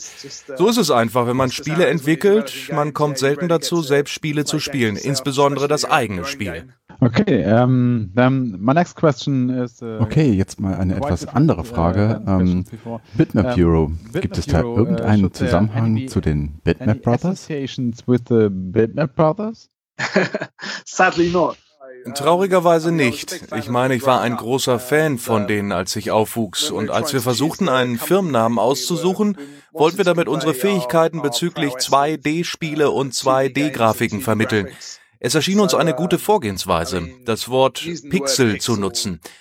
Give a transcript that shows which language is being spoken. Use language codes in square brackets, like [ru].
[de] So ist es einfach, wenn man Spiele entwickelt. Man kommt selten dazu, selbst Spiele zu spielen, insbesondere das eigene Spiel. [en] Okay, dann my next question is. [de] Okay, jetzt mal eine etwas andere Frage. Bitmap Bureau, gibt es da irgendeinen Zusammenhang zu den Bitmap Brothers? [en] Associations with the Bitmap Brothers? Sadly not. [de] Traurigerweise nicht. Ich meine, ich war ein großer Fan von denen, als ich aufwuchs. Und als wir versuchten, einen Firmennamen auszusuchen, wollten wir damit unsere Fähigkeiten bezüglich 2D-Spiele und 2D-Grafiken vermitteln. Es erschien uns eine gute Vorgehensweise, das Wort Pixel zu nutzen.